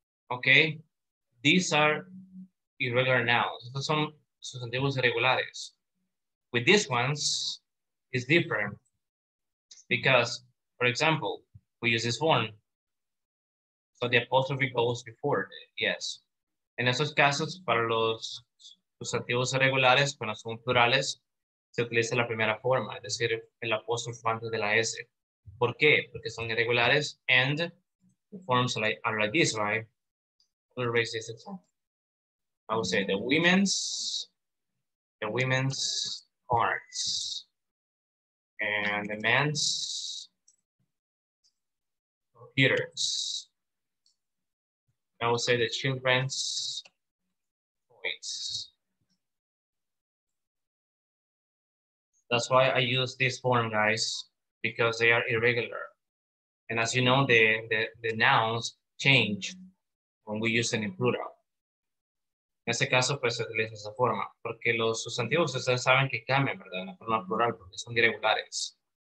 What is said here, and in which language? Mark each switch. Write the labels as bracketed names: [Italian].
[English] Okay, these are irregular nouns. [Spanish] Estos son sustantivos irregulares. [English] With these ones, it's different because, for example, we use this one. So the apostrophe goes before it, yes. [Spanish] En esos casos, para los sustantivos irregulares, cuando son plurales, se utiliza la primera forma, es decir, el apóstrofe antes de la S. ¿Por qué? Porque son irregulares [English] and the forms are like this, right? We'll raise this example. I would say the women's parts and the men's computers. I would say the children's toys. That's why I use this form, guys, because they are irregular. And as you know, the nouns change when we use them in plural. [Spanish] En este caso, pues, se utiliza esa forma. Porque los sustantivos, ustedes saben que cambian, ¿verdad? En la forma plural, porque son irregulares.